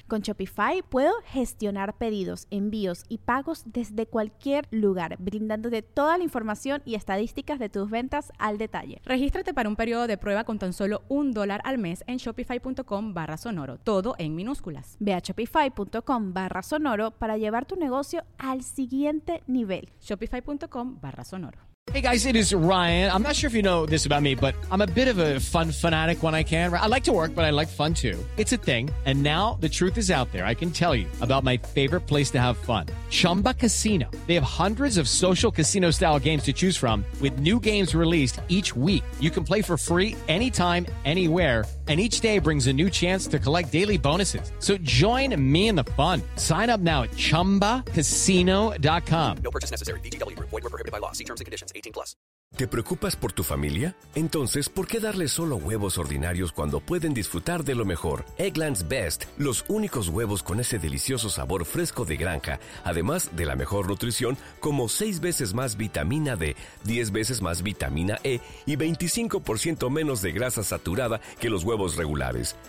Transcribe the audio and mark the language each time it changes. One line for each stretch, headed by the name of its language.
Spanish: Con Shopify puedo gestionar pedidos, envíos y pagos desde cualquier lugar, brindándote toda la información y estadísticas de tus ventas al detalle. Regístrate para un periodo de prueba con tan solo $1 al mes en shopify.com/sonoro. Todo en minutos. Ve a shopify.com/sonoro para llevar tu negocio al siguiente nivel. shopify.com/sonoro.
English: Hey guys, it is Ryan. I'm not sure if you know this about me, but I'm a bit of a fun fanatic when I can. I like to work, but I like fun too. It's a thing. And now the truth is out there. I can tell you about my favorite place to have fun. Chumba Casino. They have hundreds of social casino style games to choose from with new games released each week. You can play for free anytime, anywhere. And each day brings a new chance to collect daily bonuses. So join me in the fun. Sign up now at ChumbaCasino.com. No purchase necessary. VGW. Void where prohibited by law. See terms and conditions. 18+.
Spanish: ¿Te preocupas por tu familia? Entonces, ¿por qué darles solo huevos ordinarios cuando pueden disfrutar de lo mejor? Eggland's Best, los únicos huevos con ese delicioso sabor fresco de granja. Además de la mejor nutrición, como 6 veces más vitamina D, 10 veces más vitamina E y 25% menos de grasa saturada que los huevos regulares.